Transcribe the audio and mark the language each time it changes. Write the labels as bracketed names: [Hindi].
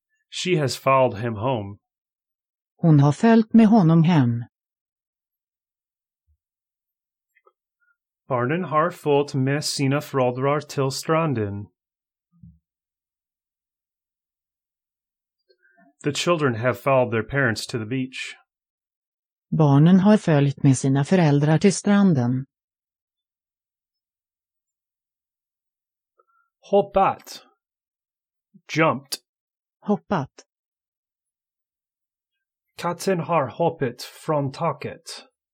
[English] She has followed him home. [Swedish] Hon har följt med honom hem. Barnen har följt med sina föräldrar till stranden. [English] The children have followed their parents to the beach. [Swedish] Barnen har följt med sina föräldrar till stranden. Hoppat. [English] Jumped. [Swedish] Hoppat. Katten har hoppat från taket.